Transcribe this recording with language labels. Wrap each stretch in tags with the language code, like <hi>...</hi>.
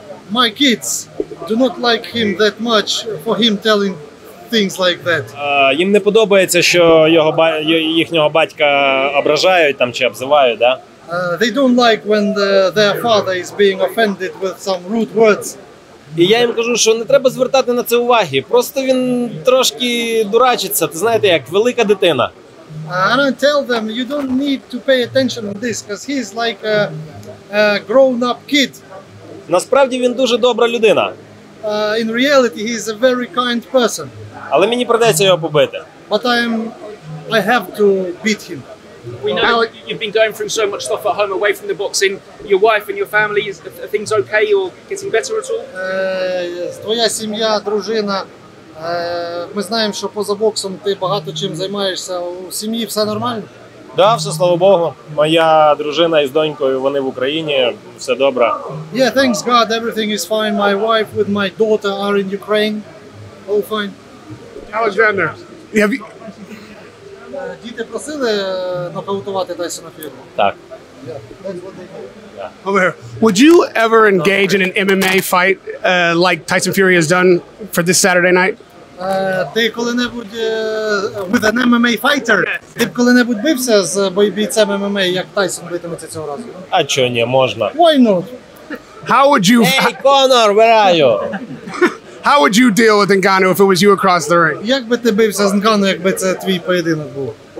<en>My kids do not like him that much for him telling things like that.</en> <uk>Їм не подобається, що їхнього батька ображають там чи обзивають, да?</uk> <en>They don't like when their father is being offended with some rude words.</en> <uk>І я їм кажу, що не треба звертати на це уваги. Просто він трошки дурачиться, ти знаєте, як велика дитина.</uk> <en>And I tell them you don't need to pay attention to this because he's like a grown-up kid.</en> <uk>Насправді він дуже добра людина.</uk> <en>In reality he is a very kind person.</en> <uk>Але мені придеться його побити.</uk> <en>But I have to beat him. We know Alec, you've been going through so much stuff at home, away from the boxing. Your wife and your family, are things okay or getting better at all?</en> <uk>Твоя сім'я, дружина, ми знаємо, що поза боксом ти багато чим займаєшся. У сім'ї все нормально? Да, все, слава Богу. Моя дружина із донькою, вони в Україні, все добре.</uk> <en>Yeah, thanks God, everything is fine. My wife with my daughter are in Ukraine. All fine. Alexander,</en> <uk>Діти просили нокаутувати Тайсона Фюрі? Так.</uk> <en>Yeah. Over here. Would you ever engage in an MMA fight like Tyson Fury has done for this Saturday night?</en> <uk>Ти коли-небудь</uk> <en>with an MMA fighter?</en> <uk>Ти коли-небудь бився з бійцем MMA, як Тайсон битиметься цього разу? А чого ні, можна.</uk> <en>Why not? How would you... Hey, Conor, where are you? How would you deal with Ngannou if it was you across the ring?</en> <uk>Як би ти бився з Ngannou, якби це твій поєдинок був?</uk>